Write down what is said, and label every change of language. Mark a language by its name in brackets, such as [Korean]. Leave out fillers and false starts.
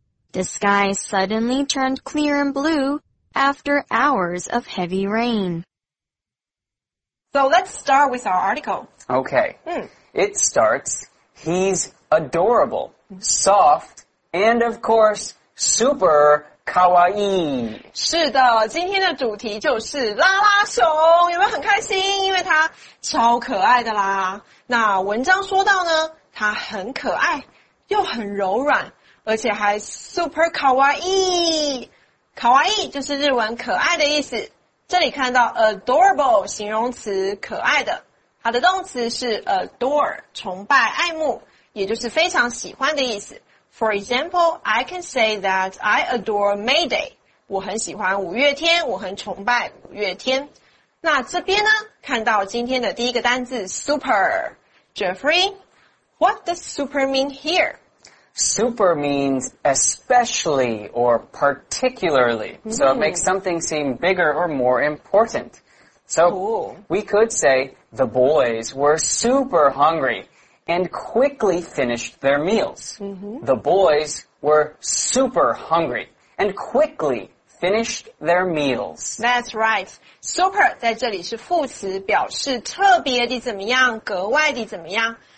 [English] The sky suddenly turned clear and blue after hours of heavy rain. So let's start with our article. Okay. It starts, he's adorable, soft, and of course, super kawaii. [Chinese] 是的，今天的主题就是拉拉熊，有没有很开心？因为它超可爱的啦。那文章说到呢，它很可爱，又很柔软，而且还 super kawaii。 kawaii 就是日文可爱的意思。这里看到 adorable 形容词，可爱的。它的动词是 adore， 崇拜、爱慕，也就是非常喜欢的意思。 [English] For example, I can say that I adore May Day. [Chinese] 我很喜欢五月天，我很崇拜五月天。那这边呢，看到今天的第一个单字 super. [English] Jeffrey, what does super mean here? Super means especially or particularly. So it makes something seem bigger or more important. So we could say the boys were super hungry. And quickly finished their meals. The boys were super hungry and quickly finished their meals. That's right. [Chinese] Super 在这里是副词，表示特别的怎么样，格外的怎么样。